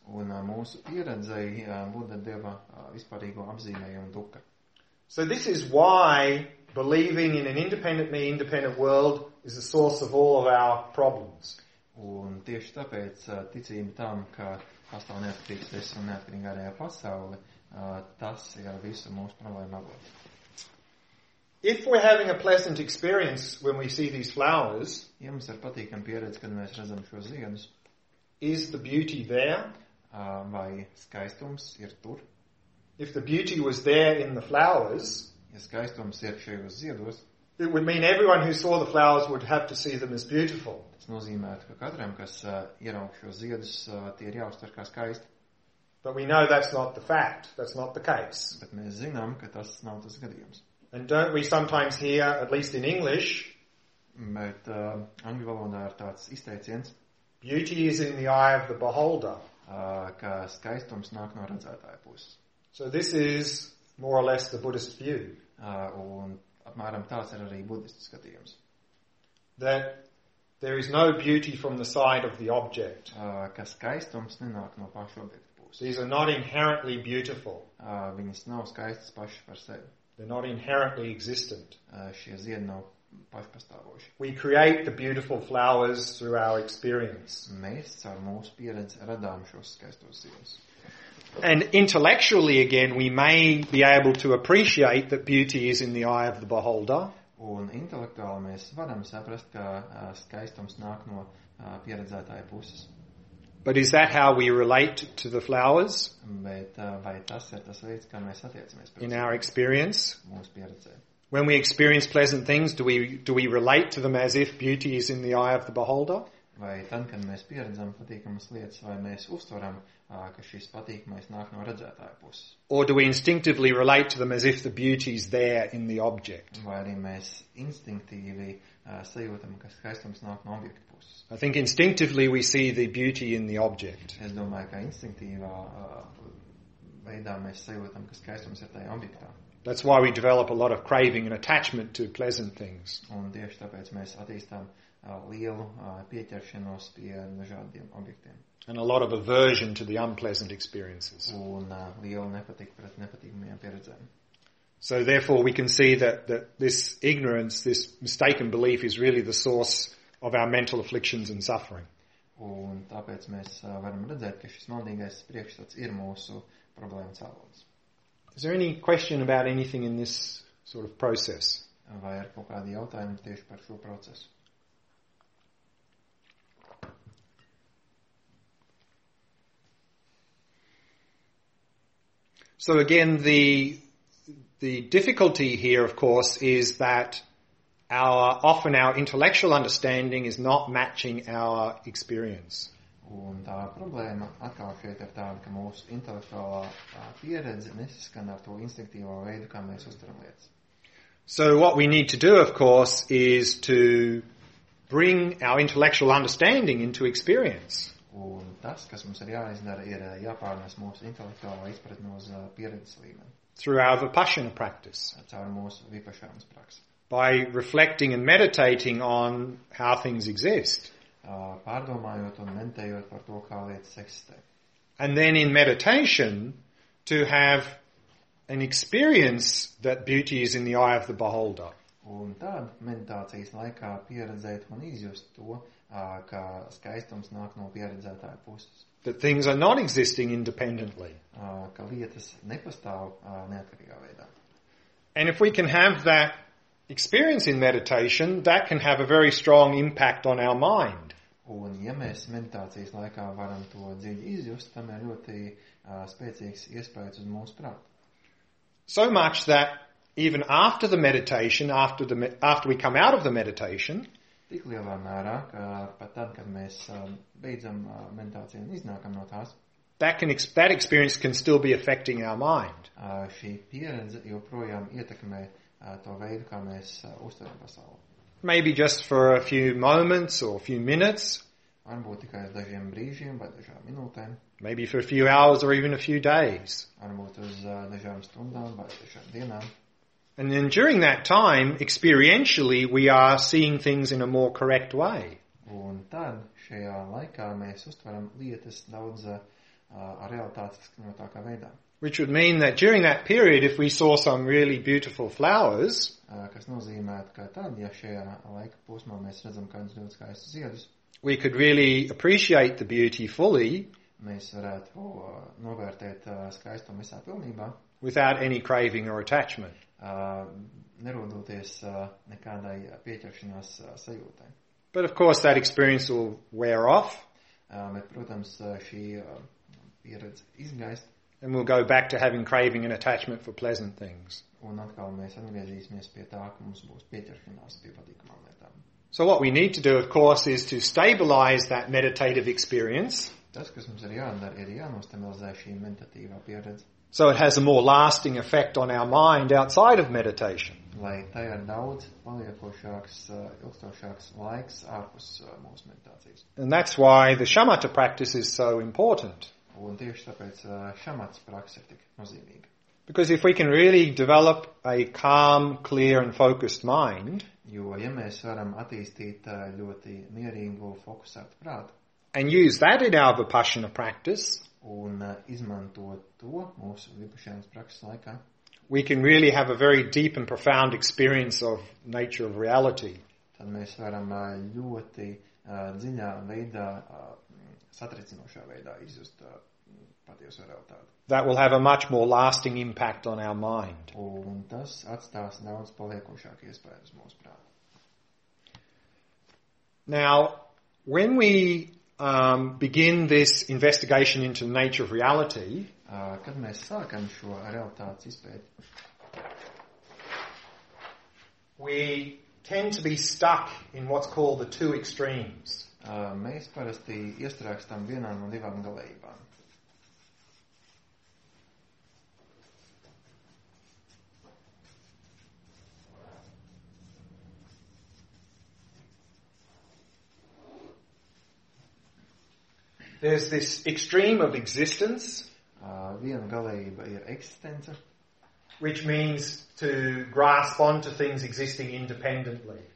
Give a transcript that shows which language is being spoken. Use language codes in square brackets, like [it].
[lv] Un mūsu pieredzei Buddha deva vispārīgo apzīmējumu dukkha. [en] So this is why believing in an independent me, independent world is the source of all of our problems. [lv] Un tieši tāpēc ticība tam, ka pastāv neatkarīgs es un neatkarīgā arī pasauli, tas ir visu mūsu problēmu avots. [en] If we're having a pleasant experience when we see these flowers, [lv] ja mums ir patīkama pieredze, kad mēs redzam šos ziedus, [en] is the beauty there? [lv] Vai skaistums ir tur? [en] If the beauty was there in the flowers, [lv] ja skaistums ir šajos ziedos, [en] it would mean everyone who saw the flowers would have to see them as beautiful. [lv] Tas nozīmē, ka katram, kas ieraug šos ziedus, tie ir jāuztver kā skaisti. [en] But we know that's not the fact. That's not the case. [lv] Bet mēs zinām, ka tas nav tas gadījums. [en] And don't we sometimes hear, at least in English, [lv] bet angļu valodā ir tāds izteiciens, [en] beauty is in the eye of the beholder. [lv] Ka skaistums nāk no redzētāja puses. [en] So this is more or less the Buddhist view. [lv] Un apmēram tāds ir arī budistu skatījums. [en] That there is no beauty from the side of the object. [lv] Ka skaistums nenāk no paša objekta puses. [en] These are not inherently beautiful. [lv] Viņas nav skaistas paši par sevi. [en] They're not inherently existent. [lv] Šie ziedi nav pašpastāvoši. [en] We create the beautiful flowers through our experience. [lv] Mēs caur mūsu pieredzi radām šos skaistos ziedus. [en] And intellectually again we may be able to appreciate that beauty is in the eye of the beholder. [lv] Un intelektuāli mēs varam saprast, ka skaistums nāk no pieredzētāja puses. [en] But is that how we relate to the flowers? [lv] Bet vai tas ir tas veids, kā mēs attiecamies pret viņiem? [en] In our experience, [lv] mūsu pieredzē. [en] When we experience pleasant things, do we relate to them as if beauty is in the eye of the beholder? [lv] Vai tad, kad mēs pieredzam patīkamas lietas, vai mēs uztveram, ka šis patīkamais nāk no redzētāja puses? [en] Or do we instinctively relate to them as if the beauty is there in the object? [lv] Vai arī mēs instinktīvi sajūtam, ka skaistums nāk no objekta puses? [en] I think instinctively we see the beauty in the object. [lv] Es domāju, ka instinktīvā veidā mēs sajūtam, ka skaistums ir tajā objektā. [en] That's why we develop a lot of craving and attachment to pleasant things. [lv] Un tieši tāpēc mēs attīstām lielu pieķeršanos pie dažādiem objektiem. [en] And a lot of aversion to the unpleasant experiences. [lv] Un lielu nepatiku pret nepatīkamajām pieredzēm. [en] So therefore we can see that this ignorance, this mistaken belief is really the source of our mental afflictions and suffering. [lv] Un tāpēc mēs varam redzēt, ka šis maldīgais priekšstats ir mūsu problēmu cēlonis. [en] Is there any question about anything in this sort of process? [lv] Vai ir kaut kādi jautājumi tieši par šo procesu? [en] So again, the difficulty here, of course, is that our intellectual understanding is not matching our experience. [lv] Un tā problēma atkal šeit ir tāda, ka mūsu intelektuālā pieredze nesaskan ar to instinktīvo veidu, kā mēs uztveram lietas. [en] So what we need to do, of course, is to bring our intellectual understanding into experience. [lv] Un tas, kas mums ir jāizdara, ir jāpārnes mūsu intelektuālā izpratne uz pieredzes līmeni. [en] Through our vipassana practice. [lv] Caur mūsu vipassanas praksi. [en] By reflecting and meditating on how things exist. [lv] Pārdomājot un meditējot par to, kā lietas eksistē. [en] And then in meditation, to have an experience that beauty is in the eye of the beholder. [lv] Un tad meditācijas laikā pieredzēt un izjust to, ka skaistums nāk no pieredzētāja puses. [en] That things are not existing independently. [lv] Ka lietas nepastāv neatkarīgā veidā. [en] And if we can have that experience in meditation, that can have a very strong impact on our mind. [lv] Un ja mēs meditācijas laikā varam to dziļi izjust, tam ir ļoti spēcīgs iespējas uz mūsu prātu. [en] So much that even after the meditation, after we come out of the meditation, [lv] tik lielā mērā, ka pat tad, kad mēs beidzam meditāciju un iznākam no tās, [en] that experience can still be affecting our mind. [lv] Šī pieredze joprojām ietekmē to veidu, kā mēs uztveram pasauli. [en] Maybe just for a few moments or a few minutes. [lv] Varbūt tikai uz dažiem brīžiem vai dažām minūtēm. [en] Maybe for a few hours or even a few days. [lv] Varbūt uz dažām stundām vai dažām dienām. [en] And then during that time, experientially, we are seeing things in a more correct way. [lv] Un tad, šajā laikā, mēs uztveram lietas daudz realitātiskākā veidā. [en] Which would mean that during that period, if we saw some really beautiful flowers, [lv] kas nozīmētu, ka tad, ja šajā laika posmā mēs redzam kādus ļoti skaistus ziedus, [en] we could really appreciate the beauty fully, [lv] mēs varētu novērtēt skaistumu visā pilnībā, [en] without any craving or attachment. [lv] Nerodoties nekādai pieķeršanās sajūtai. [en] But of course that experience will wear off. [lv] Bet, protams, šī pieredze izgaist. [en] And we'll go back to having craving and attachment for pleasant things. [lv] Un atkal mēs atgriezīsimies pie tā, ka mums būs pieķeršanās pie patīkamām lietām. [en] So what we need to do, of course, is to stabilize that meditative experience. [lv] Tas, kas mums ir jādara, ir jānostabilizē šī meditatīvā pieredze. [en] So it has a more lasting effect on our mind outside of meditation. [lv] Lai tai ir daudz paliekošāks, ilgstošāks laiks ārpus mūsu meditācijas. [en] And that's why the shamatha practice is so important. [lv] Un tieši tāpēc shamatha praksa ir tik nozīmīga. [en] Because if we can really develop a calm, clear and focused mind, [lv] jo, ja mēs varam attīstīt ļoti mierīgu, fokusētu prātu, [en] and use that in our vipassana practice, [lv] un izmantot to mūsu vipassanas prakses laikā, [en] we can really have a very deep and profound experience of nature of reality. [lv] Tad mēs varam ļoti dziļā veidā, satricinošā veidā izjust patieso realitāti. [en] That will have a much more lasting impact on our mind. [lv] Un tas atstās daudz paliekošāku iespaidu uz mūsu prātu. [en] Now, when we begin this investigation into the nature of reality, [lv] kad mēs sākam šo realitātes izpēti, [en] we tend to be stuck in what's called the two extremes. [lv] Mēs parasti iestrēgstam vienā no divām galējībām. [en] There's this extreme of existence, [lv] viena galība ir eksistence, [en] which means to grasp onto things existing independently.